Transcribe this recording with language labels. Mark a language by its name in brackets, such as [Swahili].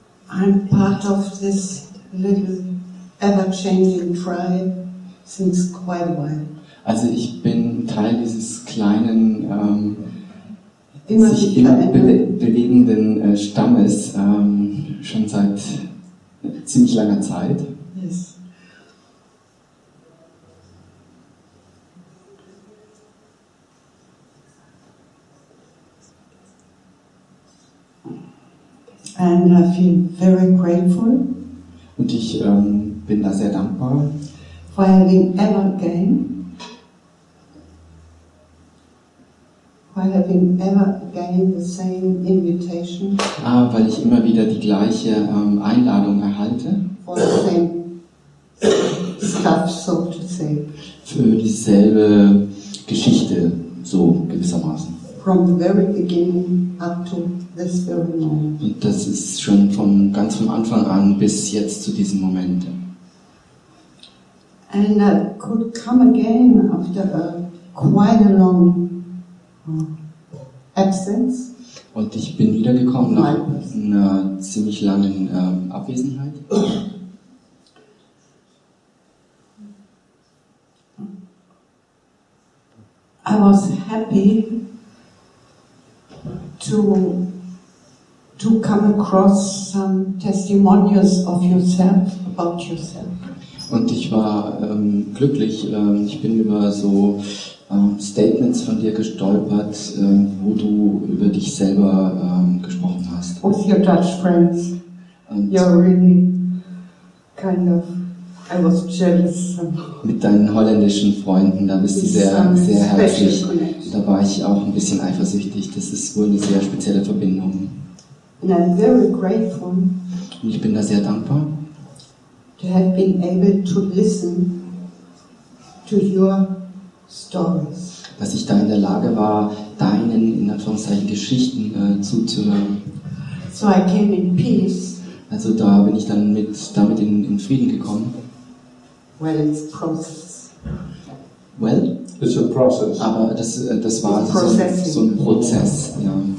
[English] I'm part of this little ever-changing tribe since quite a while. [German] Also ich bin Teil dieses kleinen, immer bewegenden Stammes schon seit ziemlich langer Zeit. [English] Yes. And I feel very grateful. [German] Und ich bin da sehr dankbar. [English] For having ever again. For having ever again the same invitation. [German] Ah, weil ich immer wieder die gleiche Einladung erhalte. [English] For the same stuff, so to say. [German] Für dieselbe Geschichte, so gewissermaßen. [English] From the very beginning up to this very moment. [German] Und das ist schon von ganz vom Anfang an bis jetzt zu diesem Moment. [English] And I could come again after a quite a long absence. [German] Und ich bin wiedergekommen nach einer ziemlich langen Abwesenheit. [English] I was happy to come across some testimonials of yourself, about yourself. [German] Und ich war glücklich, ich bin über so Statements von dir gestolpert, wo du über dich selber gesprochen hast. [English] With your Dutch friends, and you're really kind of, I was jealous. [German] Mit deinen holländischen Freunden, da bist du sehr, sehr herzlich. Da war ich auch ein bisschen eifersüchtig. Das ist wohl eine sehr spezielle Verbindung. [English] And I'm very grateful. [German] Und ich bin da sehr dankbar. [English] To have been able to listen to your stories. [German] Dass ich da in der Lage war, deinen, in Anführungszeichen, Geschichten zuzuhören. [English] So I came in peace. [German] Also da bin ich dann damit in Frieden gekommen. [English] Well, it's a process. Well? It's a process. [German] Aber das war also so ein Prozess. Ja.